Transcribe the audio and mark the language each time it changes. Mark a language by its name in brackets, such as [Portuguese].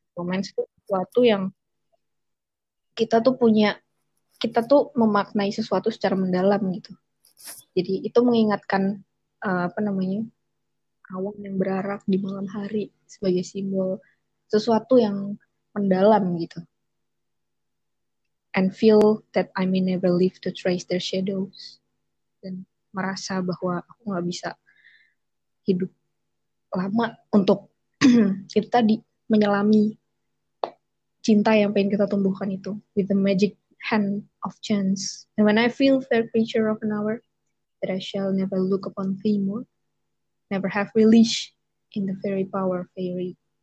[Indonesian] Romance itu sesuatu yang kita tuh punya, kita tuh memaknai sesuatu secara mendalam gitu. Jadi itu mengingatkan awan yang berarak di malam hari sebagai simbol sesuatu yang mendalam gitu. [English] And feel that I may never live to trace their shadows. [Indonesian] Dan merasa bahwa aku gak bisa hidup lama untuk itu tadi, menyelami cinta yang pengen kita tumbuhkan itu. [English] With the magic hand of chance. And when I feel fair creature of an hour, that I shall never look upon thee more, never have relish in the fairy power, fairy.